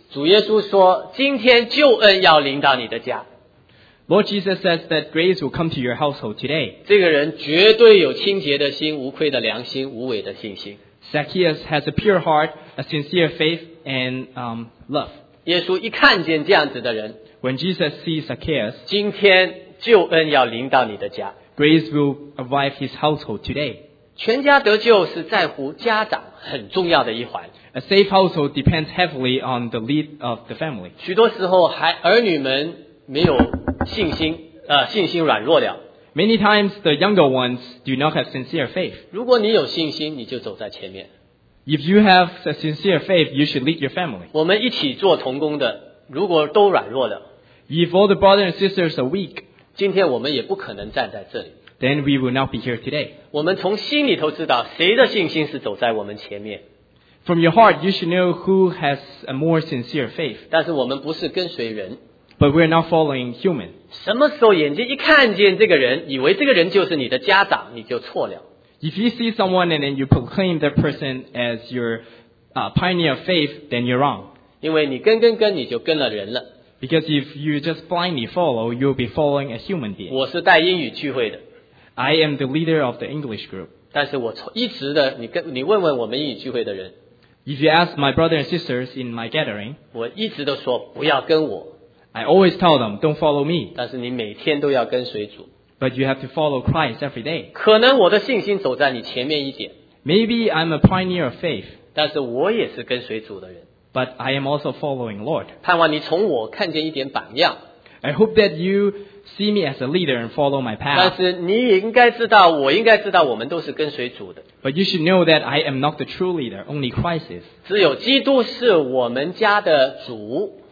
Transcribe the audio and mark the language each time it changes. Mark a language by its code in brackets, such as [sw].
[zh] 主耶稣说，今天救恩要临到你的家。 [en] Lord Jesus says that grace will come to your household today. [zh] 这个人绝对有清洁的心，无愧的良心，无伪的信心。 [en] Zacchaeus has a pure heart, a sincere faith, and love. [zh] 耶稣一看见这样子的人， [en] When Jesus sees Zacchaeus, [zh] 今天救恩要临到你的家。 [en] Grace will arrive his household today. [zh] 全家得救是在乎家长很重要的一环。 [en] A safe household depends heavily on the lead of the family. [zh] 许多时候还儿女们没有信心，信心软弱了。 [en] Many times the younger ones do not have sincere faith. [zh] 如果你有信心，你就走在前面。 [en] If you have a sincere faith, you should lead your family. [zh] 我们一起做同工的，如果都软弱了， [en] If all the brothers and sisters are weak, [zh] 今天我们也不可能站在这里。 [en] Then we will not be here today. [zh] 我们从心里头知道谁的信心是走在我们前面。 [en] From your heart, you should know who has a more sincere faith. [zh] 但是我们不是跟随人。 [en] But we're not following human. [zh] 什么时候眼睛一看见这个人，以为这个人就是你的家长，你就错了。 [en] If you see someone and then you proclaim that person as your pioneer of faith, then you're wrong. [zh] 因为你跟，你就跟了人了。 [en] Because if you just blindly follow, you'll be following a human being. [zh] 我是带英语聚会的。 [en] I am the leader of the English group. [zh] 但是我一直的，你问问我们英语聚会的人。 [en] If you ask my brothers and sisters in my gathering, [zh] 我一直都说不要跟我。 [en] I always tell them, don't follow me. [zh] 但是你每天都要跟随主。 [en] But you have to follow Christ every day. [zh] 可能我的信心走在你前面一点。 [en] Maybe I'm a pioneer of faith. [zh] 但是我也是跟随主的人。 [en] But I am also following Lord. [zh] 盼望你从我看见一点榜样。 [en] I hope that you see me as a leader and follow my path. [zh] 但是你应该知道，我应该知道，我们都是跟随主的。 [en] But you should know that I am not the true leader, only Christ is. [zh] 只有基督是我们家的主。